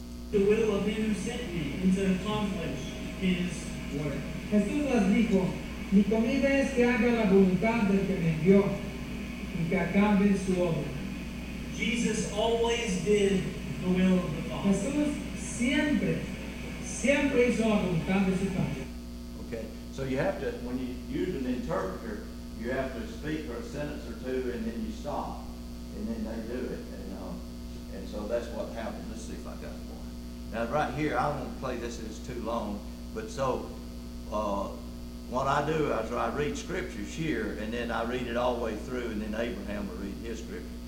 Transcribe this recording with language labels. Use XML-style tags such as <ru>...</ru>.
<en>The will of him who sent me into the conflict his word.</en> <es>Jesús les dijo, mi comida es que haga la voluntad del que me envió y que acabe su obra.</es> <en>Jesus always did the will of the Father.</en> <es>Jesús siempre hizo la voluntad de su Padre.</es> <en>Okay, so you have to, when you use an interpreter, you have to speak for a sentence or two and then you stop. And then they do it. And so that's what happened. Let's see if I got one. Now, right here, I won't play this, it's too long. But so, what I do is I read scriptures here, and then I read it all the way through, and then Abraham will read his scripture.</en>